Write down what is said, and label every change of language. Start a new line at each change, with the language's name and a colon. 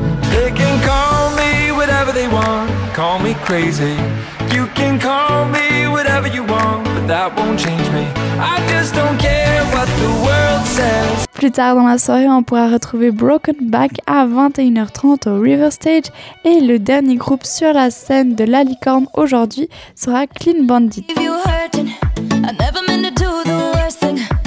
English: They can call me whatever they want, call me crazy. You can call me whatever you want, but that won't change me. I just don't care what the world says.
French: Plus tard dans la soirée, on pourra retrouver Broken Back à 21h30 au River Stage. Et le dernier groupe sur la scène de la Licorne aujourd'hui sera Clean Bandit.
English: If you hurtin', I never meant to do the worst thing.